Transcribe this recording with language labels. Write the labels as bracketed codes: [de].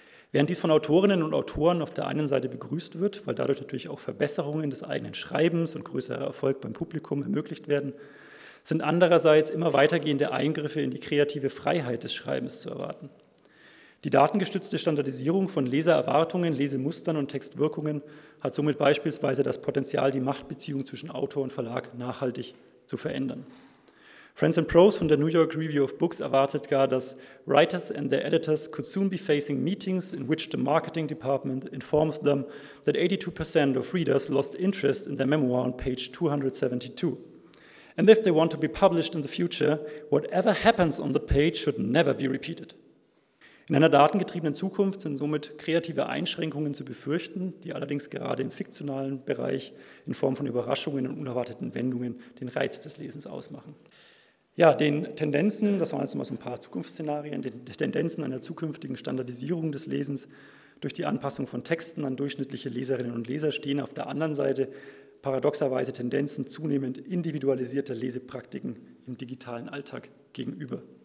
[de] Während dies von Autorinnen und Autoren auf der einen Seite begrüßt wird, weil dadurch natürlich auch Verbesserungen des eigenen Schreibens und größerer Erfolg beim Publikum ermöglicht werden, sind andererseits immer weitergehende Eingriffe in die kreative Freiheit des Schreibens zu erwarten. Die datengestützte Standardisierung von Lesererwartungen, Lesemustern und Textwirkungen hat somit beispielsweise das Potenzial, die Machtbeziehung zwischen Autor und Verlag nachhaltig zu verändern. [en] Friends and Pros [de] von der New York Review of Books erwartet gar, dass [en] Writers and their editors could soon be facing meetings in which the marketing department informs them that 82% of readers lost interest in their memoir on page 272. And if they want to be published in the future, whatever happens on the page should never be repeated. [de] In einer datengetriebenen Zukunft sind somit kreative Einschränkungen zu befürchten, die allerdings gerade im fiktionalen Bereich in Form von Überraschungen und unerwarteten Wendungen den Reiz des Lesens ausmachen. Ja, den Tendenzen, das waren jetzt mal so ein paar Zukunftsszenarien, den Tendenzen einer zukünftigen Standardisierung des Lesens durch die Anpassung von Texten an durchschnittliche Leserinnen und Leser stehen auf der anderen Seite paradoxerweise Tendenzen zunehmend individualisierter Lesepraktiken im digitalen Alltag gegenüber.